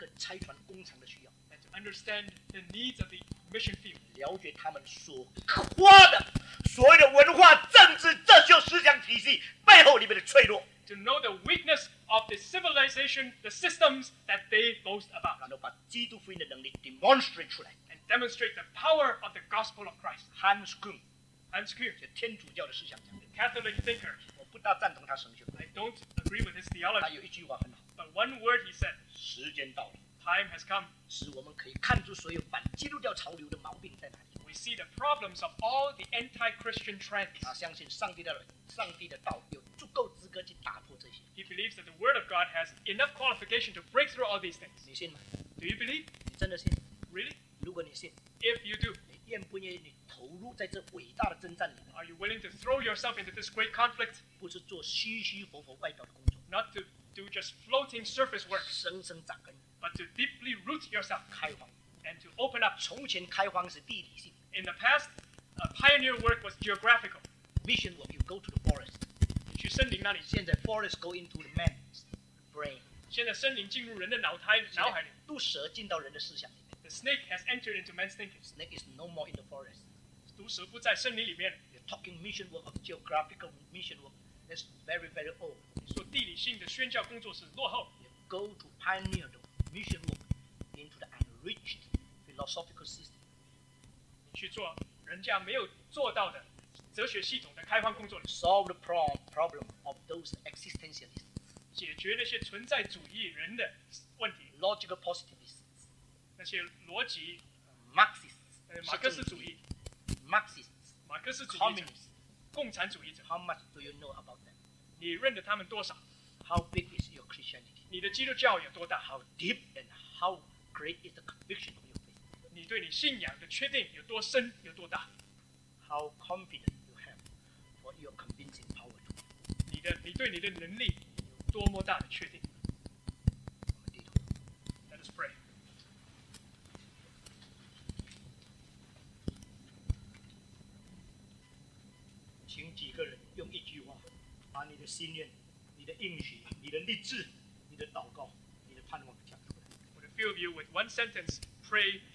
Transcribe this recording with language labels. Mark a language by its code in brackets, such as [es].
[en] And to understand the needs of the mission field. [zh] 所谓的文化、政治、哲学、思想体系背后里面的脆弱。 [en] To know the weakness of the civilization, the systems that they boast about. [zh] 然后把基督福音的能力 demonstrate 出来。 [en] And demonstrate the power of the gospel of Christ. Hans Küng. Hans Küng. [zh] 是天主教的思想家。 [en] The Catholic thinker. [zh] 我不大赞同他神学。 [en] I don't agree with his theology. [zh] 他有一句话很好。 [en] But one word he said. [zh] 时间到了。 [en] Time has come. [zh] 使我们可以看出所有反基督教潮流的毛病在哪里。 [en] We see the problems of all the anti-Christian trends. [zh] 他相信上帝的人，上帝的道有足够资格去打破这些。 [en] He believes that the Word of God has enough qualification to break through all these things. [zh] 你信吗？ [en] Do you believe? [zh] 你真的信？ [en] Really? [zh] 如果你信， [en] If you do, [zh] 你愿不愿意投入在这伟大的征战里面？ [en] Are you willing to throw yourself into this great conflict? [zh] 不是做虚虚浮浮外表的工作。 [en] Not to do just floating surface work. [zh] 深深扎根。 [en] But to deeply root yourself. [zh] 开荒。 [en] And to open up. [zh] 从前开荒是地理性。 [en] In the past, pioneer work was geographical. Mission work, you go to the forest. [zh] 去森林那里。 [en] 现在 forest go into the man's brain. [zh] 现在森林进入人的脑胎脑海里。毒蛇进到人的思想里面。 [en] The snake has entered into man's thinking. Snake is no more in the forest. [zh] 毒蛇不在森林里面。 [en] You're talking mission work of geographical mission work. That's very, very old. [zh] 说地理性的宣教工作是落后。 [en] You go to pioneer the mission work into the enriched philosophical system. [zh] 去做人家没有做到的哲学系统的开放工作。 [en] Solve the problem of those existentialists. [zh] 解决那些存在主义人的问题。 [en] Logical positivists. [zh] 那些逻辑。 [en] Marxists. [zh] 马克思主义。 [en] Marxists. [zh] 马克思主义。 [en] Communists. [zh] 共产主义者。 [en] How much do you know about them? [zh] 你认得他们多少？ [en] How big is your Christianity? [zh] 你的基督教有多大？ [en] How deep and how great is the conviction? [zh] 你对你信仰的确定有多深有多大 [en] ？How confident you have for your convincing power？ [zh] 你对你的能力有多么大的确定？我们低头。 [en] Let us pray。 [zh] 请几个人用一句话，把你的心愿、你的应许、你的立志、你的祷告、你的盼望讲出来。 [en] Would a few of you with one sentence pray？